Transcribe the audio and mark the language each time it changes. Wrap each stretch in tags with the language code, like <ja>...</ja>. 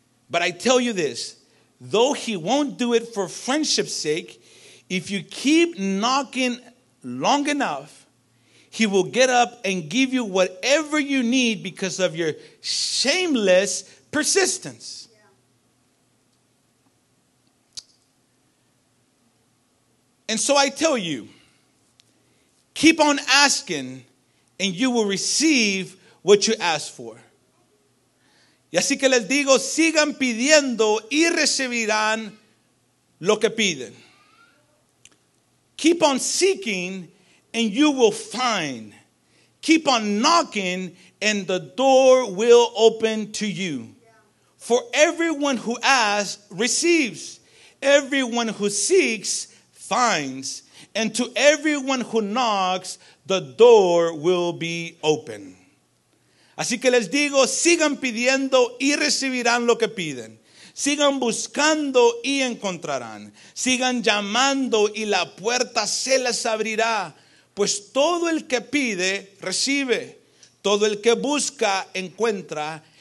<en>But I tell you this, though he won't do it for friendship's sake, if you keep knocking long enough, he will get up and give you whatever you need because of your shameless persistence. And so I tell you, keep on asking and you will receive what you ask for.</en> <es>Y así que les digo, sigan pidiendo y recibirán lo que piden.</es> <en>Keep on seeking and you will find. Keep on knocking and the door will open to you. For everyone who asks receives. Everyone who seeks finds. And to everyone who knocks, the door will be open.</en> <es>Así que les digo, sigan pidiendo y recibirán lo que piden. Sigan buscando y encontrarán. Sigan llamando y la puerta se les abrirá. Pues todo el que pide, recibe. Todo el que busca, encuentra.</es>